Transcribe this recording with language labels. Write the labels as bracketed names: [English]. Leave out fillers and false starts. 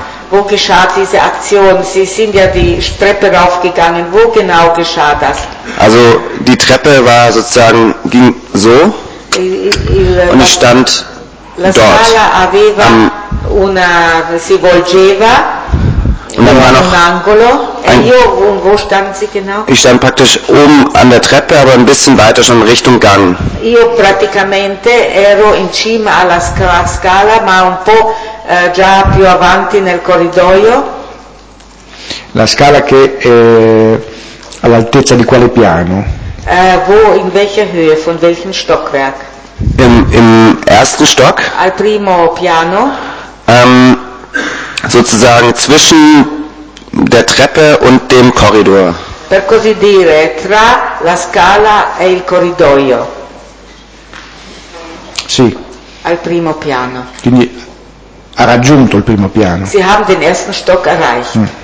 [German] Wo geschah diese Aktion? Sie sind ja die Treppe raufgegangen. Wo genau geschah das? Also die Treppe war sozusagen, ging so und ich stand dort. [Italian] La scala aveva una, si volgeva [German] und dann war noch [Italian] un angolo. [German] Und wo standen Sie genau? Ich stand praktisch oben an der Treppe, aber ein bisschen weiter schon Richtung Gang. [Italian] Io praticamente ero in cima alla scala, ma un po' già più avanti nel corridoio. La scala che è all'altezza di quale piano? [German] Wo, in welcher Höhe, von welchem Stockwerk? Im ersten Stock. [Italian] Al primo piano. [German] Sozusagen zwischen der Treppe und dem Korridor. [Italian] Per così dire, tra la scala e il corridoio. Sì. Al primo piano. Quindi ha raggiunto il primo piano. [German] Sie haben den ersten Stock erreicht.